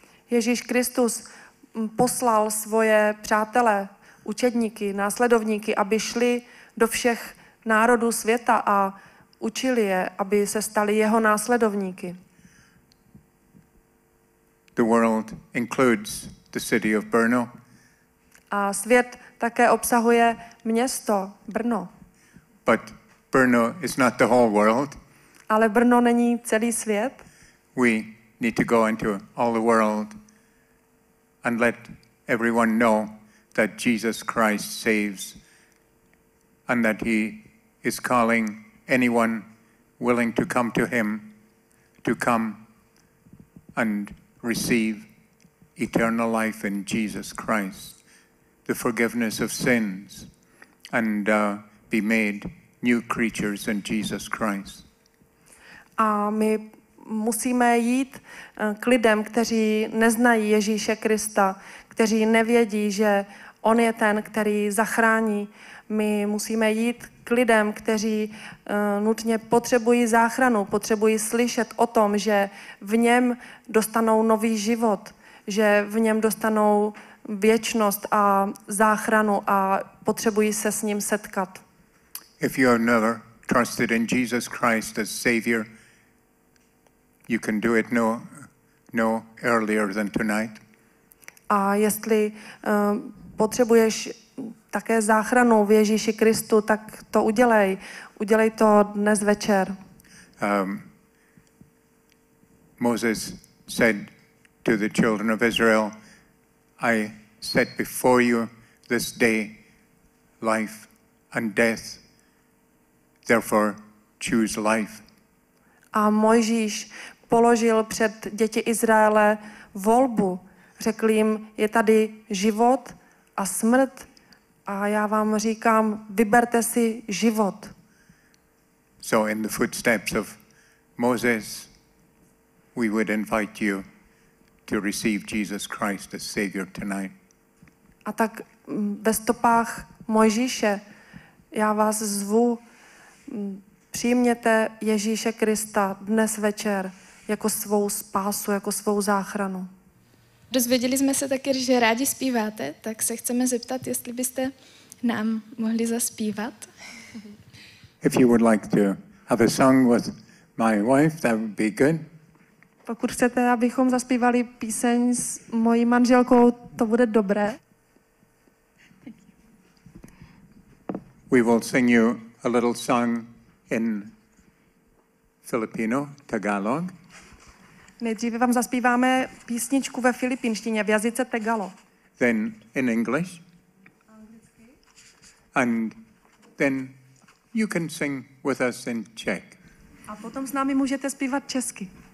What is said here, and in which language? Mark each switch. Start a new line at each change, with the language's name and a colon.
Czech: Ježíš Kristus poslal svoje přátele, učedníky, následovníky, aby šli do všech národů světa a učili je, aby se stali jeho následovníky.
English: The world includes the city of Brno.
Czech: A svět také obsahuje město Brno.
English: But Brno is not the whole world.
Czech: Ale Brno není celý svět.
English: We need to go into all the world and let everyone know that Jesus Christ saves and that he is calling anyone willing to come to him to come and receive eternal life in Jesus Christ, the forgiveness of sins, and be made new creatures in Jesus Christ.
Czech: A my musíme jít k lidem, kteří neznají Ježíše Krista, kteří nevědí, že on je ten, který zachrání. My musíme jít k lidem, kteří nutně potřebují záchranu, potřebují slyšet o tom, že v něm dostanou nový život, že v něm dostanou věčnost a záchranu a potřebují se s ním setkat.
English: If you have never trusted in Jesus Christ as Savior, you can do it no earlier than tonight.
Czech: A jestli potřebuješ také záchranu v Ježíši Kristu, tak to udělej. Udělej to dnes večer.
English: Moses said to the children of Israel, I set before you this day life and death. Therefore choose life.
Czech: A Mojžíš položil před děti Izraele volbu. Řekl jim, je tady život a smrt a já vám říkám, vyberte si život.
English: So in the footsteps of Moses, we would invite you to receive Jesus Christ as Savior tonight.
Czech: A tak ve stopách Mojžíše já vás zvu, přijměte Ježíše Krista dnes večer jako svou spásu, jako svou záchranu. Dozvěděli jsme se taky, že rádi zpíváte, tak se chceme zeptat, jestli byste nám mohli zaspívat.
English: If you would like to have a song with my wife, that would be good.
Czech: Pokud chcete, abychom zaspívali píseň s mojí manželkou, to bude dobré.
English: We will sing you a little song in Filipino, Tagalog.
Czech: Nejdříve vám zaspíváme písničku ve filipinštině, v jazyce Tagalo.
English: Then in English. And then you can sing with us in Czech.
Czech: A potom s námi můžete zpívat česky.